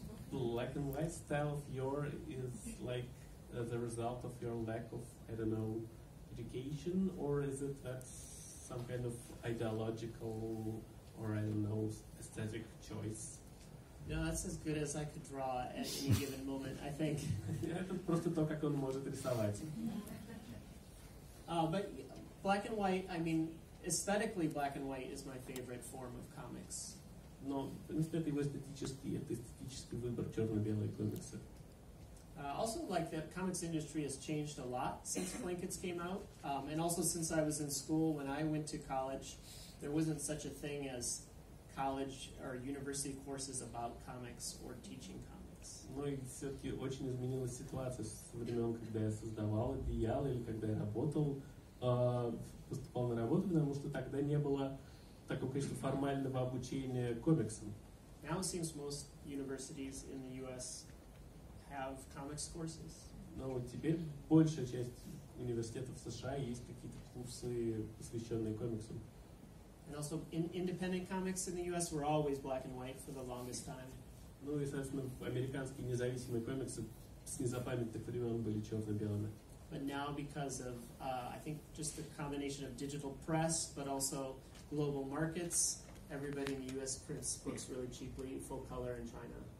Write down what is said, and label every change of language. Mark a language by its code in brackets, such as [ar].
[en] Black and white style of yours is like the result of your lack of, I don't know, education, or is it that some kind of ideological or, I don't know, aesthetic choice? No, that's as good as I could draw at any given moment, I think. [ru] Просто то, как он может рисовать. [en] But black and white, I mean, aesthetically, black and white is my favorite form of comics. [ru] Но, в принципе, это его эстетический, это эстетический выбор черно-белые комиксы. [en] Also, like, the comics industry has changed a lot since blankets came out, and also since I was in school. When I went to college, there wasn't such a thing as college or university courses about comics or teaching comics. [ru] Ну и все-таки очень изменилась ситуация со времен, когда я создавал «Одеяло» или когда я работал, поступал на работу, потому что тогда не было такого количества формального обучения комиксам. [en] Now it seems most universities in the U.S. have comics courses. [ru] Но теперь большая часть университетов США есть какие-то курсы, посвященные комиксам. [en] And also, independent comics in the U.S. were always black and white for the longest time. [ru] Ну и, соответственно, американские независимые комиксы с незапамятных времен были черно-белыми. [en] But now, because of, I think, just the combination of digital press, but also global markets, everybody in the U.S. prints books really cheaply in full color in China.